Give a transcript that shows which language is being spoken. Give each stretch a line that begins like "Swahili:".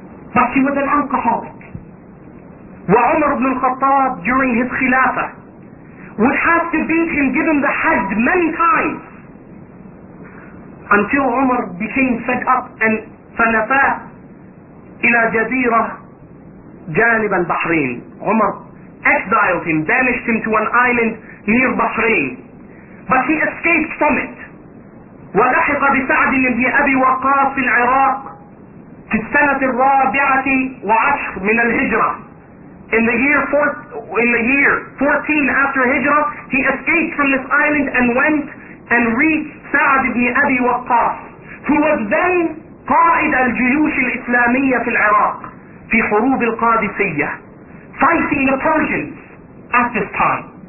English: But he was an alcoholic.
Arabic: وعمر بن الخطاب
English: during his khilafah would have to beat him, give him the hajj many times. Until Umar became fed up and
Arabic: فنفاه إلى جزيرة جانب البحرين.
English: Umar exiled him, banished him to an island near Bahrain. But he escaped from it.
Arabic: ولحق بسعد بن أبي وقاص في العراق في السنة الرابعة وعشر من الهجرة.
English: In the year 14 after Hijrah, he escaped from this island and went and reached Sa'd ibn Abi Waqqas, who was then
Arabic: Qa'id al-Juyush al-Islamiyya fi al-Iraq, fi Hurub al-Qadisiyya,
English: fighting the Persians at this time.